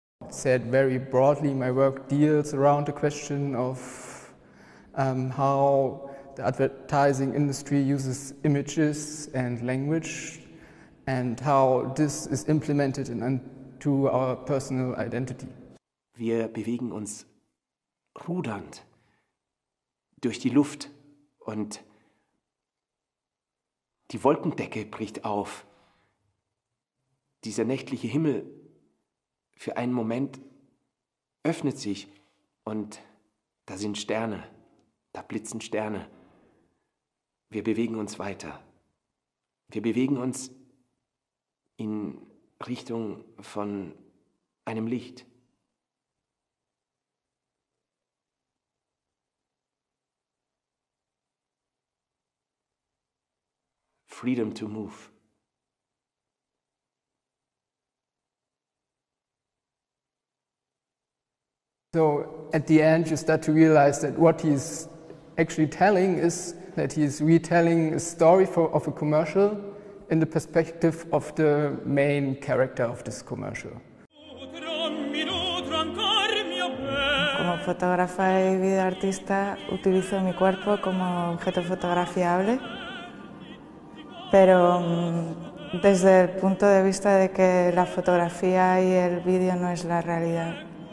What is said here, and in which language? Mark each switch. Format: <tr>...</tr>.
<en>Said very broadly, my work deals around the question of how the advertising industry uses images and language, and how this is implemented into our personal identity.</en> <de>Wir bewegen uns rudernd durch die Luft und die Wolkendecke bricht auf. Dieser nächtliche Himmel für einen Moment öffnet sich und da sind Sterne, da blitzen Sterne. Wir bewegen uns weiter. Wir bewegen uns in Richtung von einem Licht.</de> <en>Freedom to move. So at the end you start to realize that what he's actually telling is that he's retelling a story of a commercial in the perspective of the main character of this commercial.</en> <es>Como fotógrafa y videoartista utilizo mi cuerpo como objeto fotografiable, pero desde el punto de vista de que la fotografía y el vídeo no es la realidad.</es>